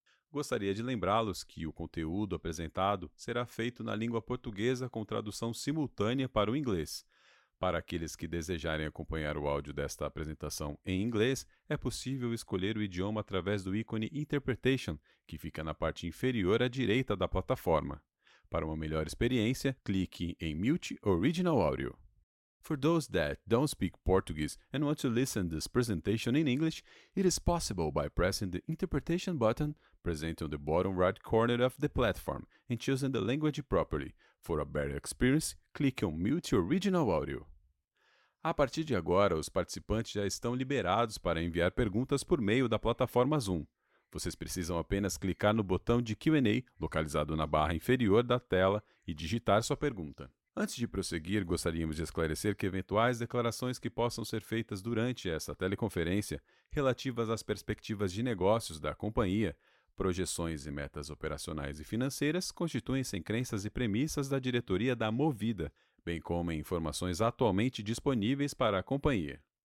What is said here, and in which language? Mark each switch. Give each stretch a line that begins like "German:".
Portuguese: Gostaria de lembrá-los que o conteúdo apresentado será feito na língua portuguesa com tradução simultânea para o inglês. Para aqueles que desejarem acompanhar o áudio desta apresentação em inglês, é possível escolher o idioma através do ícone Interpretation, que fica na parte inferior à direita da plataforma. Para uma melhor experiência, clique em Mute Original Audio.
English: For those that don't speak Portuguese and want to listen to this presentation in English, it is possible by pressing the Interpretation button present on the bottom right corner of the platform and choosing the language properly. For a better experience, click on Mute Original Audio.
Portuguese: A partir de agora, os participantes já estão liberados para enviar perguntas por meio da plataforma Zoom. Vocês precisam apenas clicar no botão de Q&A localizado na barra inferior da tela e digitar sua pergunta. Antes de prosseguir, gostaríamos de esclarecer que eventuais declarações que possam ser feitas durante essa teleconferência relativas às perspectivas de negócios da companhia, projeções e metas operacionais e financeiras constituem-se em crenças e premissas da diretoria da Movida, bem como em informações atualmente disponíveis para a companhia.